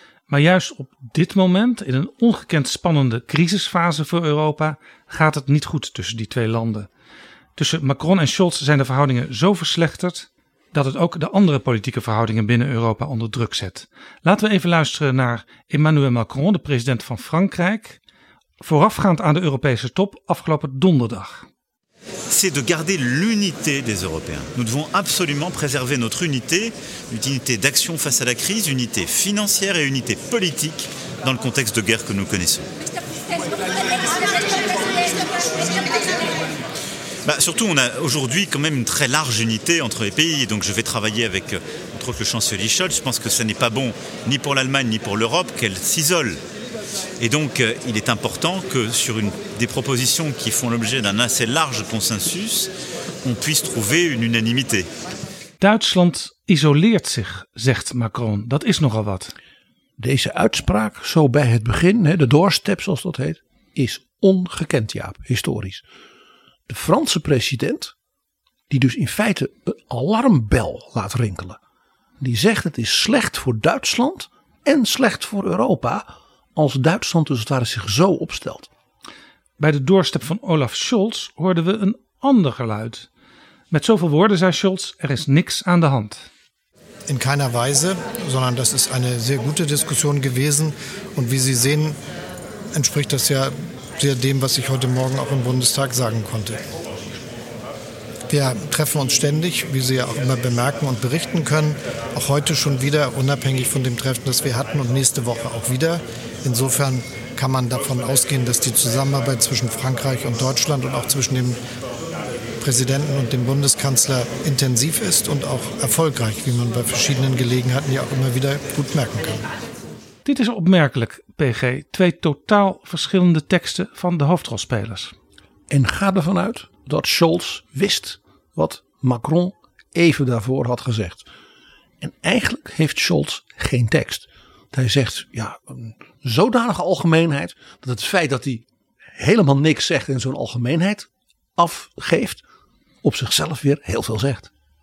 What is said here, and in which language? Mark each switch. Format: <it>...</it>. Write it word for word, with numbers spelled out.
<nl>Maar juist op dit moment, in een ongekend spannende crisisfase voor Europa, gaat het niet goed tussen die twee landen. Tussen Macron en Scholz zijn de verhoudingen zo verslechterd dat het ook de andere politieke verhoudingen binnen Europa onder druk zet. Laten we even luisteren naar Emmanuel Macron, de president van Frankrijk, voorafgaand aan de Europese top afgelopen donderdag.</nl> <fr>C'est de garder l'unité des Européens. Nous devons absolument préserver notre unité, unité d'action face à la crise, unité financière et unité politique dans le contexte de guerre que nous connaissons. Bah, surtout, on a aujourd'hui quand même une très large unité entre les pays. Et donc je vais travailler avec, entre autres, le chancelier Scholz. Je pense que ça n'est pas bon ni pour l'Allemagne ni pour l'Europe qu'elle s'isole. Et donc, il est important que sur une, des propositions qui font l'objet d'un assez large consensus, on puisse trouver une unanimité.</fr> <nl>Duitsland isoleert zich, zegt Macron. Dat is nogal wat. Deze uitspraak, zo bij het begin, hè, de doorstep zoals dat heet, is ongekend, Jaap, historisch. De Franse president die dus in feite een alarmbel laat rinkelen. Die zegt het is slecht voor Duitsland en slecht voor Europa als Duitsland dus het ware zich zo opstelt. Bij de doorstap van Olaf Scholz hoorden we een ander geluid. Met zoveel woorden zei Scholz, er is niks aan de hand.</nl> <de>In keiner Weise, sondern das ist eine sehr gute Diskussion gewesen. Und wie Sie sehen, entspricht das ja sehr dem, was ich heute Morgen auch im Bundestag sagen konnte. Wir treffen uns ständig, wie Sie ja auch immer bemerken und berichten können. Auch heute schon wieder, unabhängig von dem Treffen, das wir hatten und nächste Woche auch wieder. Insofern kann man davon ausgehen, dass die Zusammenarbeit zwischen Frankreich und Deutschland und auch zwischen dem Präsidenten und dem Bundeskanzler intensiv ist und auch erfolgreich, wie man bei verschiedenen Gelegenheiten ja auch immer wieder gut merken kann.</de> <nl>Dit is opmerkelijk, P G. Twee totaal verschillende teksten van de hoofdrolspelers. En ga ervan uit dat Scholz wist wat Macron even daarvoor had gezegd. En eigenlijk heeft Scholz geen tekst. Hij zegt ja, een zodanige algemeenheid dat het feit dat hij helemaal niks zegt in zo'n algemeenheid afgeeft, op zichzelf weer heel veel zegt.</nl>